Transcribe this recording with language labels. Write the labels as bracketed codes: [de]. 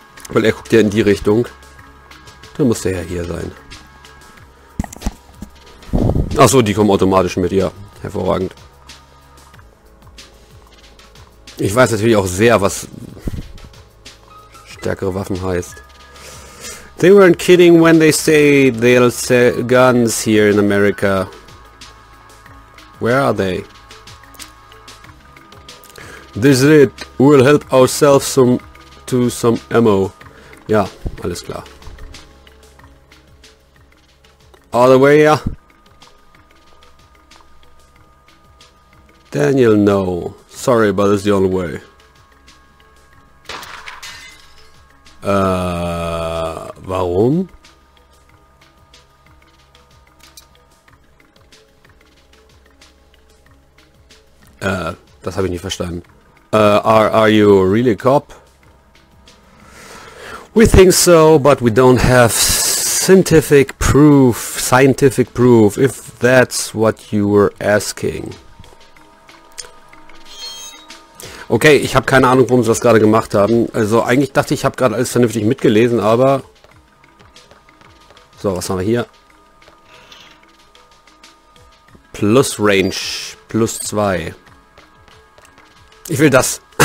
[de] Weil er guckt ja in die Richtung. Dann muss der ja hier sein. Achso, die kommen automatisch mit, ja. Hervorragend. Ich weiß natürlich auch sehr, was stärkere Waffen heißt. [en] They weren't kidding when they say they'll sell guns here in America. Where are they? This is it. We'll help ourselves to some ammo. [de] Ja, alles klar. [en] All the way, yeah. Daniel, no. Sorry, but it's the only way. [de] Warum? Das habe ich nicht verstanden. [en] Are you really a cop? We think so, but we don't have scientific proof, if that's what you were asking. [de] Okay, ich habe keine Ahnung, warum sie das gerade gemacht haben. Also eigentlich dachte ich, ich habe gerade alles vernünftig mitgelesen, aber... So, was haben wir hier? Plus Range, plus 2. Ich will das.